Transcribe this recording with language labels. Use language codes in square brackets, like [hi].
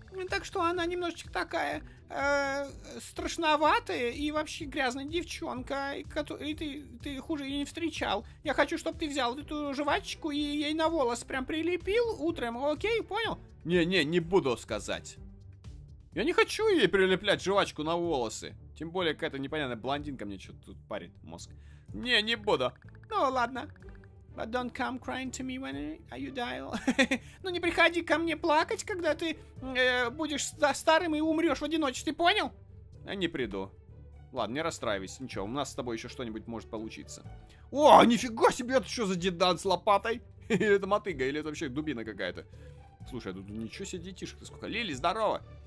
[ru] Так что она немножечко такая страшноватая и вообще грязная девчонка, и ты хуже ее не встречал. Я хочу, чтобы ты взял эту жвачку и ей на волос прям прилепил утром, окей, понял? Не буду сказать. Я не хочу ей прилеплять жвачку на волосы. Тем более какая-то непонятная блондинка мне что-то тут парит мозг. Не буду. Ну ладно. [en] But don't come crying to me when you die. [ru] Ну не приходи ко мне плакать, когда ты будешь старым и умрешь в одиночестве, понял? Я не приду. Ладно, не расстраивайся, ничего, у нас с тобой еще что-нибудь может получиться. О, нифига себе, это что за дедан с лопатой? Или это мотыга, или это вообще дубина какая-то? Слушай, тут ничего себе детишек-то сколько. Лили, здорово!